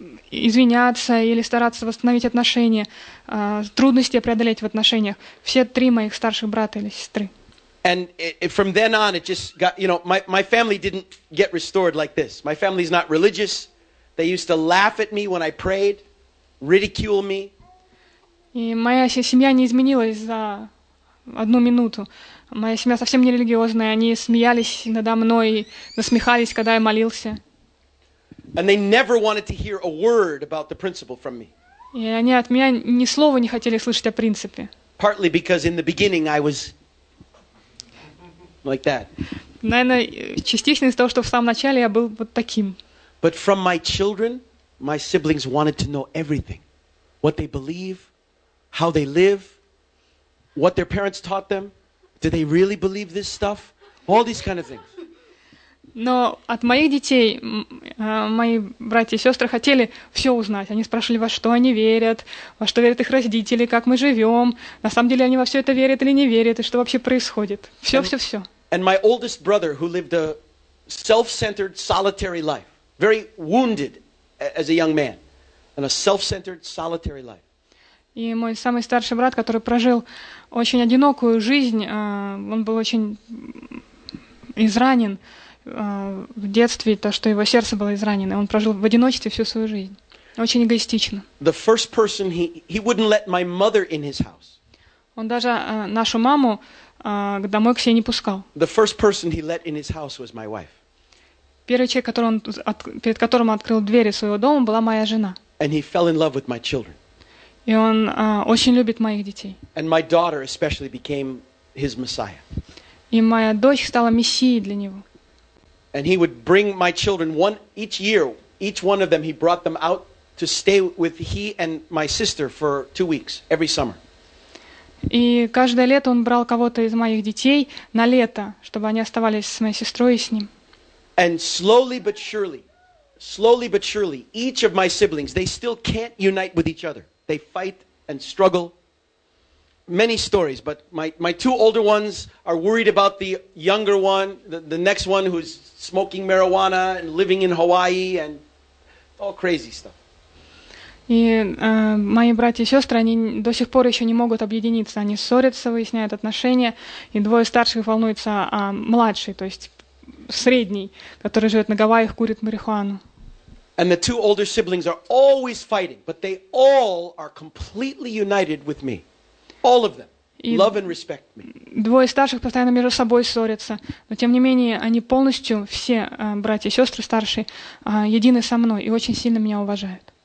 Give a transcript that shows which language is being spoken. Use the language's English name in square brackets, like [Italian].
[Russian] Извиняться или стараться восстановить отношения, трудности преодолеть в отношениях. Все три моих старших брата или сестры. [English] And from then on, it just got, you know, my family didn't get restored like this. My family is not religious. They used to laugh at me when I prayed, ridicule me. [Russian] И моя семья не изменилась за одну минуту. Моя семья совсем не религиозная. Они смеялись надо мной, насмехались, когда я молился. [English] And they never wanted to hear a word about the principle from me. [Russian] И они от меня ни слова не хотели слышать о принципе. [English] Partly because in the beginning I was like that. [Russian] Наверное, частично из-за того, что в самом начале я был вот таким. [English] But from my children, my siblings wanted to know everything. What they believe, how they live, what their parents taught them, do they really believe this stuff? All these kind of things. [Russian] Но от моих детей мои братья и сестры хотели все узнать. Они спрашивали, во что они верят, во что верят их родители, как мы живем, на самом деле они во все это верят или не верят, и что вообще происходит. Все, все, все. [English] And my oldest brother, who lived a self-centered, solitary life, very wounded as a young man, and a self-centered, solitary life. [Russian] И мой самый старший брат, который прожил очень одинокую жизнь, он был очень изранен в детстве, то, что его сердце было изранено. Он прожил в одиночестве всю свою жизнь. Очень эгоистично. [English] The first person he wouldn't let my mother in his house. [Russian] Он даже нашу маму домой к себе не пускал. [English] The first person he let in his house was my wife. [Russian] Первый человек, который он, перед которым открыл двери своего дома, была моя жена. [English] And he fell in love with my children. [Russian] И он очень любит моих детей. [English] And my daughter especially became his Messiah. [Russian] И моя дочь стала мессией для него. [English] And he would bring my children one each year, each one of them he brought them out to stay with he and my sister for 2 weeks every summer. [Russian] И каждое лето он брал кого-то из моих детей на лето, чтобы они оставались с моей сестрой и с ним. [English] And slowly but surely, slowly but surely, each of my siblings, they still can't unite with each other. They fight and struggle. Many stories, but my two older ones are worried about the younger one, the next one who's smoking marijuana and living in Hawaii and all crazy stuff. [Russian] И мои братья и сестры, они до сих пор еще не могут объединиться. Они ссорятся, выясняют отношения, и двое старших волнуются о младшей, то есть средней, которая живет на Гавайях, курит марихуану. [English] And the two older siblings are always fighting, but they all are completely united with me. All of them. Love and respect me. [Russian] Двое старших постоянно между собой ссорятся, но тем не менее они полностью, все братья и сестры старшие, едины со мной и очень сильно меня уважают.